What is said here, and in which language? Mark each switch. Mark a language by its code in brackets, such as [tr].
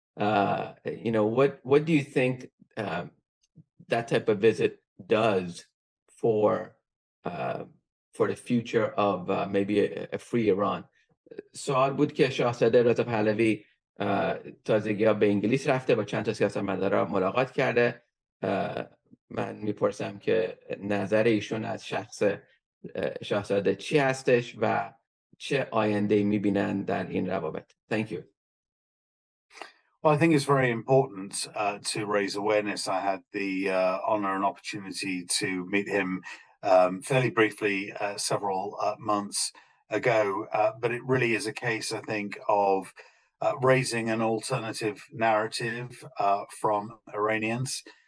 [en] You know, what do you think that type of visit does for the future of maybe a free Iran? [fa] سوال بود که شاهزاده رضا پهلوی تازگی‌ها به انگلیس رفته با چند تا سیاستمدارا ملاقات کرده. من میپرسم که نظر ایشون از شخص شاهزاده چی هستش و چه آینده‌ای می‌بینن در این روابط. [en] Thank you. Well, I think it's very important to raise awareness. I had the honor and opportunity to meet him fairly briefly several months ago. But it really is a case, I think, of raising an alternative narrative from Iranians.